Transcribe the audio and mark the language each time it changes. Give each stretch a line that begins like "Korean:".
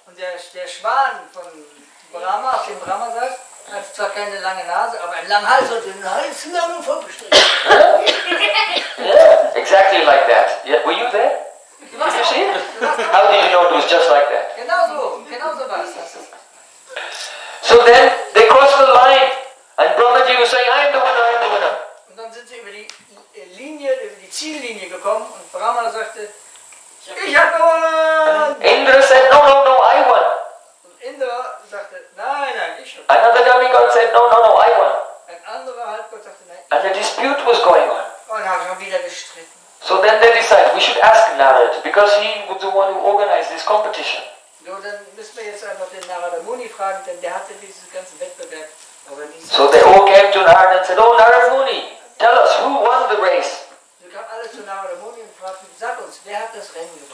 English: And the
German: Schwan von Brahma, auf dem Brahma sagt, hat zwar keine lange Nase, aber einen langen Hals und den Hals sind dann vorgestrichen.
English: Yeah, exactly like that. Yeah, were you there? Did you see it? How did you know it was just like that?
German: Genau so war es.
English: So then they crossed the line and Brahmaji was saying, I am the winner, I am the winner.
German: Und dann sind sie über die Ziellinie gekommen und Brahma sagte, Ich hab gewonnen!
English: Indra said, no, no, no, I won.
German: Und Indra sagte, nein, nein, ich hab gewonnen.
English: Another demigod said, no, no, no, I won.
German: Ein anderer Halbgott sagte, nein.
English: And the dispute was going on.
German: Und haben schon wieder gestritten.
English: So then they decide, we should ask Narad, because he was the one who organized this competition.
German: So dann müssen wir jetzt einfach den Narada Muni fragen, denn der hatte diesen ganzen Wettbewerb.
English: So they all came to Narada and said, oh Narada Muni, tell us who won the race.
German: Sie kamen alle zu Narada Muni und fragten, sag uns, wer hat das Rennen gewonnen?